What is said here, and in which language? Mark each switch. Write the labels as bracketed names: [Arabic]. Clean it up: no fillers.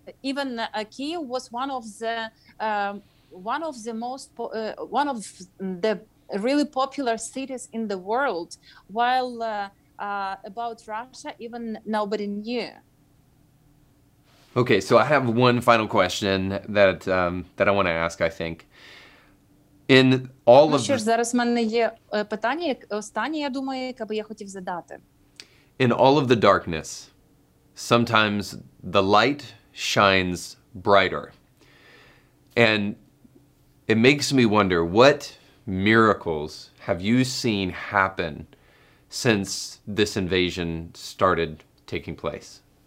[English] even Kyiv was one of the really popular cities in the world, while about Russia, even nobody knew. Okay, so I have one final question that that I want to ask, I think. In all of the... [Ukrainian] Зараз в мене є питання, останнє, я думаю, яке би я хотів задати. [English] In all of the darkness, sometimes the light shines brighter. And it makes me wonder, what miracles have you seen happen since this invasion started taking place?